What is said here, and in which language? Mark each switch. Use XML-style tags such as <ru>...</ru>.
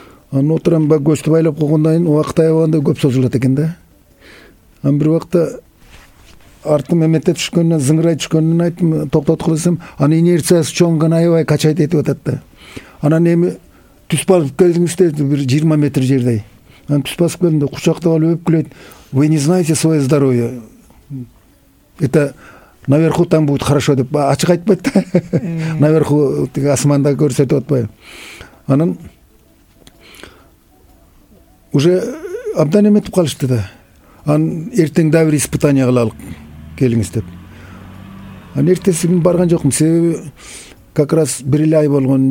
<ky>Анын отурам ба көчтү байлап койгондон кийин убакыт аябаганда көп созулат экен да. Анан бир убакта артым эмете түшкөндөн зыңырай түшкөндөн айттым токтоткул десем анын инерциясы чоңгон аябай качайт этип атат да. Анан эми түз басып келдиңизде бир 20 метр жердей. Анан түз басып келдимде кучактап алып өпкүлөйт.</ky> <ru>Вы не знаете свое здоровье. Это наверху там будет хорошо</ru> <ky>деп ачык айтпайт да. Наверху тиги асманда көрсөтүп атпайбы. Анан уже абдан эметип калышты да. Анан эртең дагы бир испытание кылалык келиңиз деп. Анан эртеси күнү барган жокмун. Себеби</ky> <ru>как раз</ru> <ky>бир эле ай болгон.</ky>